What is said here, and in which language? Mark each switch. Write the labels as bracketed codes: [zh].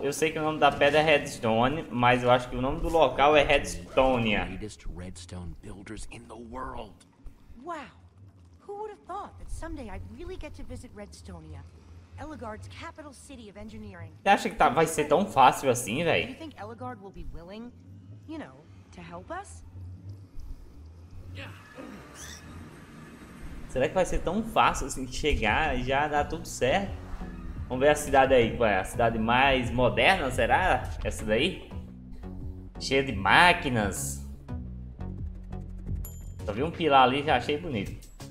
[pt] Eu sei que o nome da pedra é Redstone, mas eu acho que o nome do local é Redstonia. [en] Redstone builders in the world. Wow. Who would have thought that someday I'd really get to visit Redstonia, Eligard's capital city of engineering. [pt] Você acha que tá, vai ser tão fácil assim, velho? [en] You think Eligard will be willing, you know, to help us? [pt] Será que vai ser tão fácil assim chegar e já dar tudo certo? Vamos ver a cidade aí, qual é a cidade mais moderna, será? Essa daí? Cheia de máquinas. Só vi um pilar ali e já achei bonito.